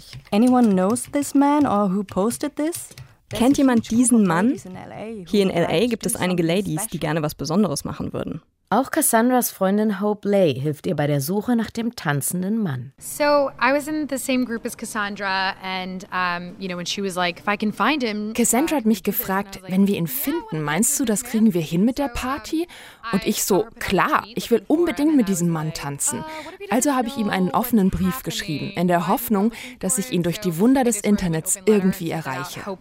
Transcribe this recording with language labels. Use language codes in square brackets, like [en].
[en] Anyone knows this man or who posted this? [de] Kennt jemand diesen Mann? Hier in L.A. gibt es einige Ladies, die gerne was Besonderes machen würden. Auch Cassandras Freundin Hope Lay hilft ihr bei der Suche nach dem tanzenden Mann. [en] So, I was in the same group as Cassandra and, you know, when she was like, if I can find him. [de] Cassandra hat mich gefragt, wenn wir ihn finden, meinst du, das kriegen wir hin mit der Party? Und ich so, klar, ich will unbedingt mit diesem Mann tanzen. Also habe ich ihm einen offenen Brief geschrieben, in der Hoffnung, dass ich ihn durch die Wunder des Internets irgendwie erreiche.